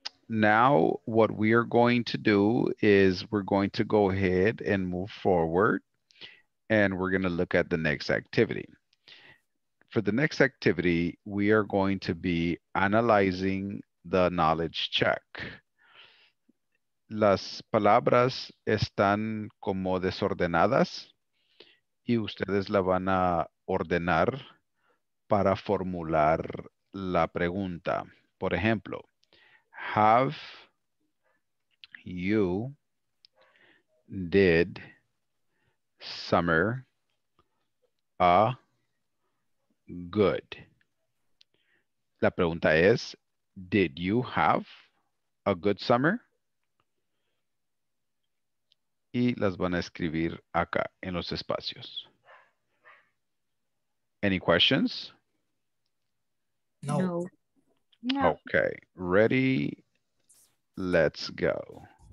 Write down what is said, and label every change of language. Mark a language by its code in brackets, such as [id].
[en] Now, what we are going to do is we're going to go ahead and move forward, and we're going to look at the next activity. For the next activity, we are going to be analyzing the knowledge check. [es] Las palabras están como desordenadas y ustedes la van a ordenar para formular la pregunta. Por ejemplo, [en] have you did summer a good? [es] La pregunta es, [en] did you have a good summer? [es] Y las van a escribir acá en los espacios. [en] Any questions? No. Okay, ready? Let's go.